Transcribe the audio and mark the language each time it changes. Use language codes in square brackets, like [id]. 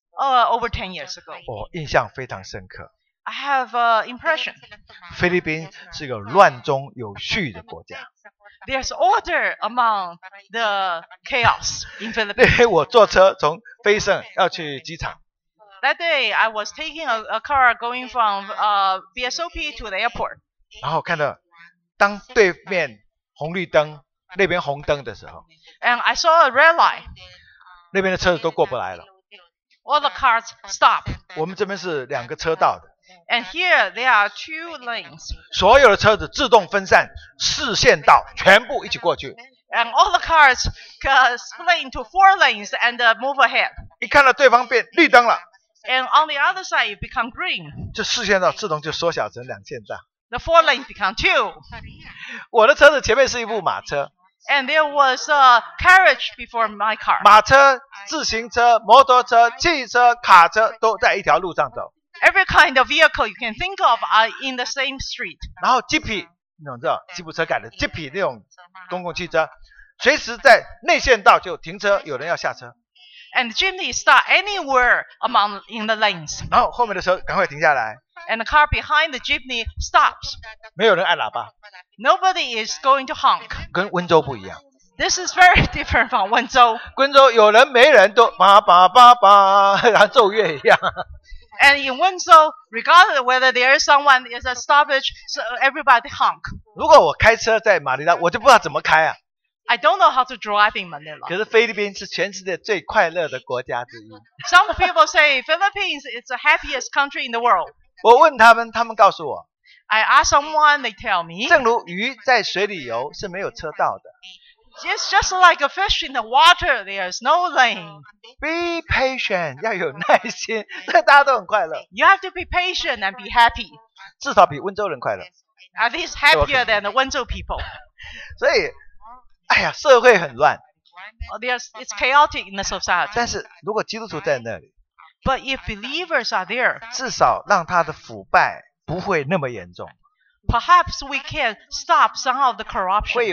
[en] Over 10 years ago. [zh] 我印象非常深刻。 [en] I have an impression. [zh] 菲律宾是个乱中有序的国家。 [en] There's order among the chaos in Philippines. [zh] 那天我坐车从菲盛要去机场。 [en] That day, I was taking a car going from BSOP to the airport. [zh] 然后看到当对面红绿灯那边红灯的时候。 [en] And I saw a red light. [zh] 那边的车子都过不来了。 [en] All the cars stop. [zh] 我们这边是两个车道的。 [en] And here there are two lanes. [zh] 所有的车子自动分散，四线道全部一起过去。 [en] And all the cars split into four lanes and move ahead. [zh] 一看到对方变绿灯了。 [en] And on the other side it become green. [zh] 这四线道自动就缩小成两线道。 [en] The four lanes become two. [zh] 我的车子前面是一部马车。 [en] And there was a carriage before my car. [zh] 马车、自行车、摩托车、汽车、卡车都在一条路上走。 [en] Every kind of vehicle you can think of are in the same street. [zh] 然后吉普，你知道吉普车改的吉普那种公共汽车，随时在内线道就停车，有人要下车。 [en] And the jeepney start anywhere among in the lanes. [zh] 然后后面的车赶快停下来。 [en] And the car behind the jeepney stops. [zh] 没有人按喇叭。 [en] Nobody is going to honk. [zh] 跟温州不一样。 [en] This is very different from 温州。 [zh] 温州有人没人都叭叭叭叭，像奏乐一样。 [en] And in 温州 regardless of whether there is someone is a stoppage, so everybody honk. [zh] 如果我开车在马尼拉，我就不知道怎么开啊。 [en] I don't know how to drive in Manila. [zh] 可是菲律宾是全世界最快乐的国家之一。 [en] Some people say Philippines is the happiest country in the world. [zh] 我问他们，他们告诉我。 [en] I ask someone, they tell me. [zh] 正如鱼在水里游是没有车道的。 [en] It's just like a fish in the water. There's no lane. Be patient, [zh] 要有耐心，这大家都很快乐。 [en] You have to be patient and be happy. [zh] 至少比温州人快乐。 [en] At least happier than the 温州 people. [zh] 所以。哎呀，社会很乱。 [en] It's chaotic in the society. [zh] 但是如果基督徒在那里， [en] But if believers are there, [zh] 至少让他的腐败不会那么严重。 [en] Perhaps we can stop some of the corruption.